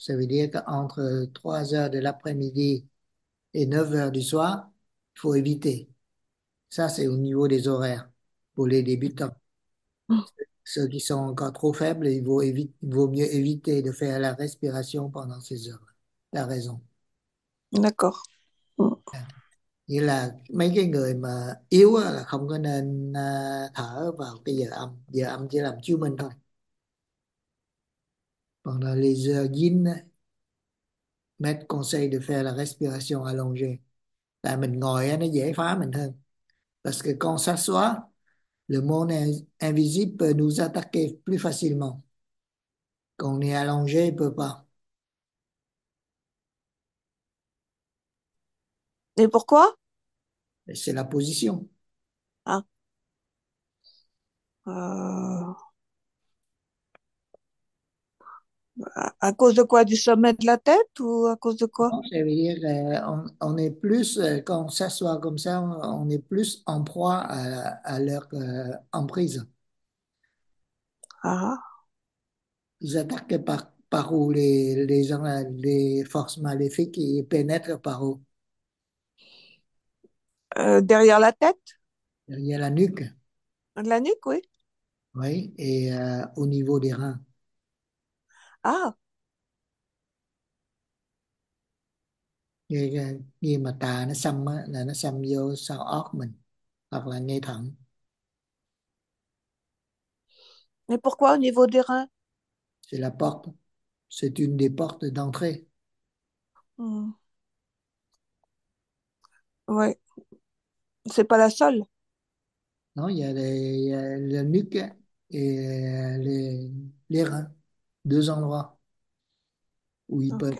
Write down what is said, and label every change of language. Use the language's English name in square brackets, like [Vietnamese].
[French] Ça veut dire qu'entre 3 heures de l'après-midi et 9 heures du soir, il faut éviter. Ça c'est au niveau des horaires pour les débutants. Ceux qui sont encore trop faibles, il vaut mieux éviter de faire la respiration pendant ces heures. T'as raison. D'accord. [Vietnamese] Nghĩa là mấy cái người mà yếu là không có nên thở vào cái giờ âm chỉ làm chứng minh thôi, còn là [French] les heures yin mettre conseil de faire la respiration allongée, [Vietnamese] tại mình ngồi nó dễ phá mình hơn. [French] Parce que quand on s'assoit, le monde invisible peut nous attaquer plus facilement. Quand on est allongé, il ne peut pas. Et pourquoi? C'est la position. À cause de quoi? Du sommet de la tête ou à cause de quoi? Non, ça veut dire on est plus, quand on s'assoit comme ça, on est plus en proie à leur emprise. Ah. Ils attaquent par où les forces maléfiques qui pénètrent par où? Derrière la tête, Il y a la nuque. la nuque, oui. Oui, et au niveau des reins. Ah. [Vietnamese] Nhưng mà tà nó xâm á, là nó xâm vô sau óc mình hoặc là ngay thận. [French] Mais pourquoi au niveau des reins? C'est la porte. C'est une des portes d'entrée. Ouais. C'est pas la seule. Non, il y a la nuque et les reins, deux endroits où ils peuvent